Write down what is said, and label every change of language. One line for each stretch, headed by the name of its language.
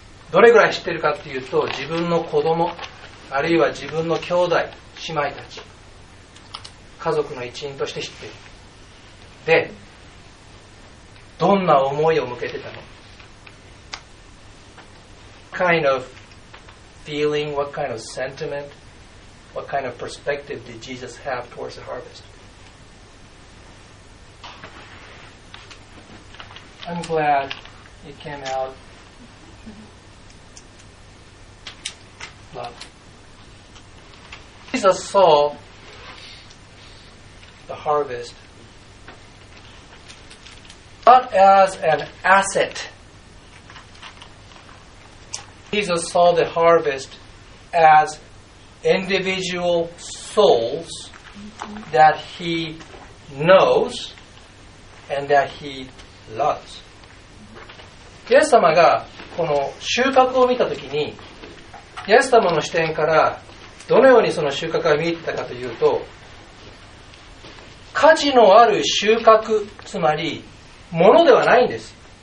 Japanese: どれぐらい知ってるかっていうと、自分の子供、あるいは自分の兄弟、姉妹たち、家族の一員として知ってる。で、どんな思いを向けてたの？
English: What kind of feeling, what kind of sentiment, what kind of perspective did Jesus have towards the harvest? I'm glad it came out. Love. Jesus saw the harvest not as an asset. Jesus saw the harvest as individual souls that he knows and that he loves.
Japanese: イエス様がこの収穫を見たときに、イエス様の視点からどのようにその収穫が見えてたかというと、価値のある収穫、つまりものではないんです。